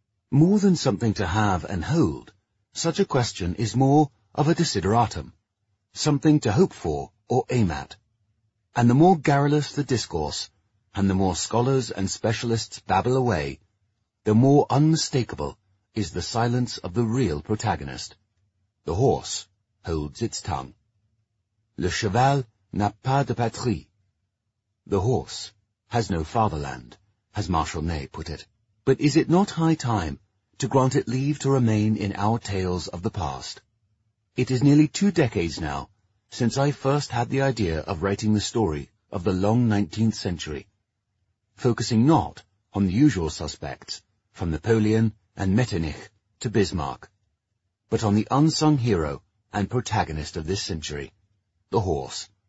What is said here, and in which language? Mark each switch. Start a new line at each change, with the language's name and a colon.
English: More than something to have and hold, such a question is more of a desideratum, something to hope for or aim at. And the more garrulous the discourse, and the more scholars and specialists babble away, the more unmistakable is the silence of the real protagonist. The horse holds its tongue.
French: Le cheval n'a pas de patrie.
English: The horse has no fatherland, as Marshal Ney put it. But is it not high time to grant it leave to remain in our tales of the past? It is nearly 2 decades now since I first had the idea of writing the story of the long 19th century, focusing not on the usual suspects, from Napoleon and Metternich to Bismarck, but on the unsung hero and protagonist of this century, the horse.